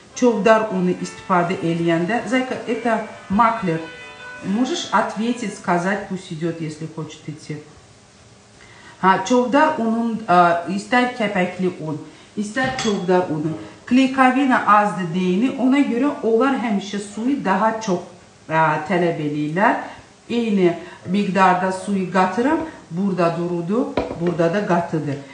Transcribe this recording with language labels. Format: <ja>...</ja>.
<az>Çok dar onu istifade eleyende.</az> <ru>Zeyka, это маклер. Можешь ответить, сказать, пусть идет, если хочет идти.</ru> <az>Ha, çovdar unun, ister kepekli un, ister çovdar unu. Klikavina az dediğini ona göre onlar hemşe suyu daha çok telebeliler. Eyni miktarda suyu katırım, burada durudu, burada da katıdır.</az>